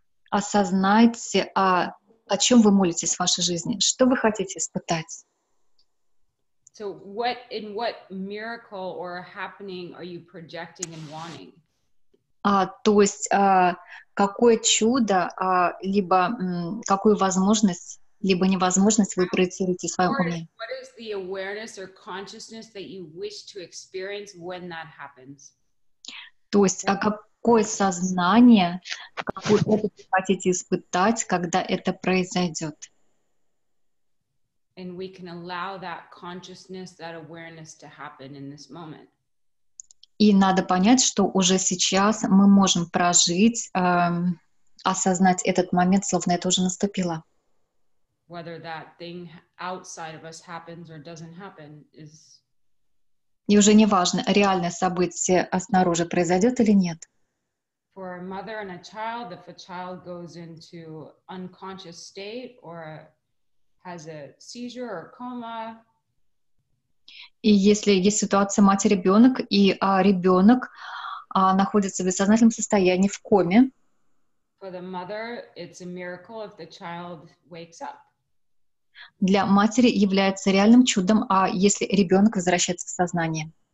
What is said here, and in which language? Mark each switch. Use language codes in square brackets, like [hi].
[ru] Осознайте, о чем вы молитесь в вашей жизни, что вы хотите испытать. [en] So what in what miracle or happening are you projecting and wanting? [ru] То есть, какое чудо, либо какую возможность, либо невозможность вы проецируете в своем уме? [en] What is the awareness or consciousness that you wish to experience when that happens? [ru] То есть, какое сознание, какой опыт вы хотите испытать, когда это произойдет? [en] And we can allow that consciousness, that awareness to happen in this moment. [ru] И надо понять, что уже сейчас мы можем прожить, осознать этот момент, словно это уже наступило. [en] Whether that thing outside of us happens or doesn't happen is... [ru] И уже не важно, реальное событие снаружи произойдет или нет. [en] For a mother and a child, if a child goes into unconscious state or has a seizure or coma... [ru] И если есть ситуация мать-ребенок, и ребенок находится в бессознательном состоянии, в коме, для матери является реальным чудом, а если ребенок возвращается в сознание.